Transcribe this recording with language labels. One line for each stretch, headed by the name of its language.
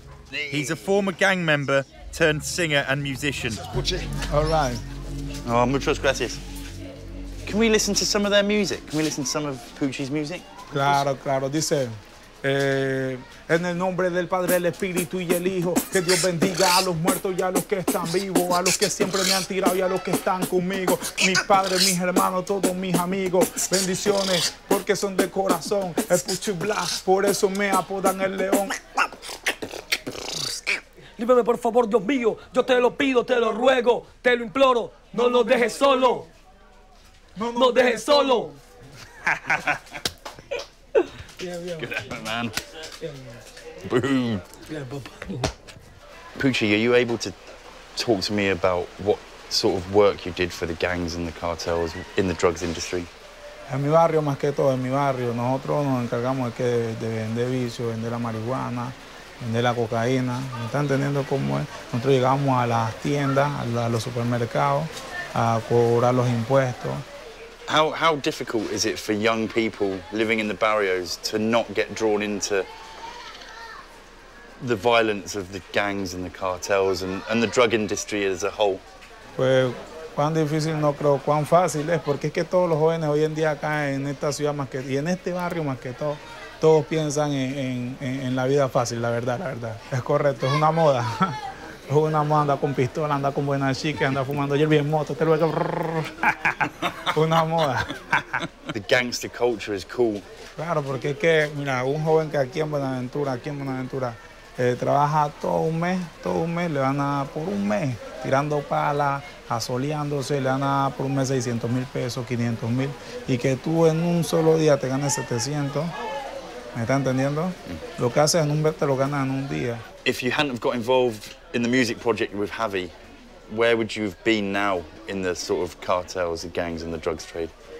English: He's a former gang member turned singer and musician. All right.
Spanish: Oh, muchas gracias.
English: Can we listen to some of their music? Can we listen to some of Pucci's music?
Spanish: Claro, claro, dice. En el nombre del Padre, el Espíritu y el Hijo, que Dios bendiga a los muertos y a los que están vivos, a los que siempre me han tirado y a los que están conmigo, mis padres, mis hermanos, todos mis amigos, bendiciones porque son de corazón, el Pucci Blas, por eso me apodan el León. Líbrame por favor, Dios mío, yo te lo pido, te lo ruego, te lo imploro, no nos dejes solo, no nos dejes solo.
English: Good effort, man. Boom. Pucci, are you able to talk to me about what sort of work you did for the gangs and the cartels in the drugs industry?
Spanish: En mi barrio, más que todo, en mi barrio, nosotros nos encargamos de vender vicio, vender la marihuana, vender la cocaína. ¿Me están entendiendo cómo es? Nosotros llegamos a las tiendas, a los supermercados, a cobrar los impuestos.
English: How difficult is it for young people living in the barrios to not get drawn into the violence of the gangs and the cartels and the drug industry as a whole?
Spanish: Pues, cuán difícil no creo, cuán fácil es, porque es que todos los jóvenes hoy en día acá en esta ciudad más que y en este barrio más que todo, todos piensan en la vida fácil, la verdad, es correcto, es una moda. Es una moda, anda con pistola, anda con buena chica, anda fumando hierba en moto, te luego. Una moda.
English: The gangster culture is cool.
Spanish: Claro, porque es que, mira, un joven que aquí en Buenaventura, trabaja todo un mes, le van a por un mes, tirando palas, asoleándose, le van a por un mes 600 mil pesos, 500 mil, y que tú en un solo día te ganes 700, ¿me está entendiendo? Lo que haces en un mes te lo ganas en un día.
English: If you hadn't got involved in the music project with Javi, where would you have been now in the sort of cartels, the gangs, and the drugs trade?